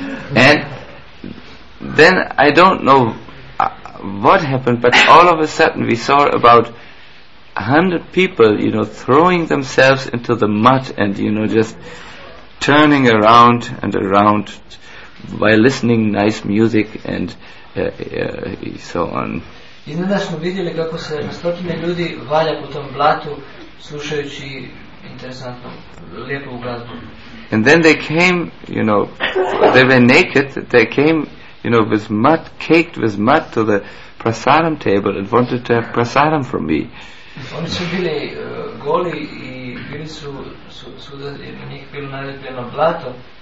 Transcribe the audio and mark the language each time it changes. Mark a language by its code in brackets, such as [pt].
[en] And then I don't know what happened, but all of a sudden we saw about 100 people, you know, throwing themselves into the mud and, you know, just turning around and around while listening nice music and so on. [hr] I onda smo vidjeli kako se na stotine ljudi valja po tom blatu slušajući interesantnu, lijepu glazbu. [en] And then they came, you know, they were naked, they came, you know, with mud, caked with mud to the prasadam table and wanted to have prasadam from me. [hr] Oni su bili goli i bili su svuda, na njih bilo nalepljeno blato.